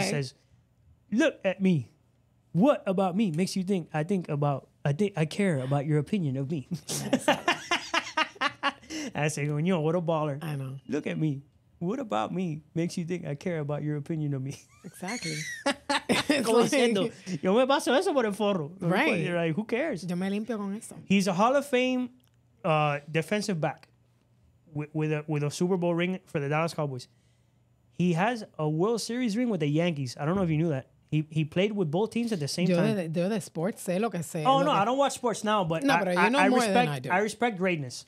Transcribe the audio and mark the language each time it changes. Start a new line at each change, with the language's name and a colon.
English: He says, look at me. What about me makes you think I think about, I care about your opinion of me? I say, well, yo, what a baller. I know. Look at me. What about me makes you think I care about your opinion of me? Exactly.
Spanish: Como diciendo, yo me paso eso por el forro.
English: Right. You're like, who cares?
Spanish: Yo me limpio con eso.
English: He's a Hall of Fame defensive back with a Super Bowl ring for the Dallas Cowboys. He has a World Series ring with the Yankees. I don't know if you knew that. He played with both teams at the same time.
Spanish: Yo de sports sé lo que sé.
English: Oh, no, I don't watch sports now, but I respect greatness.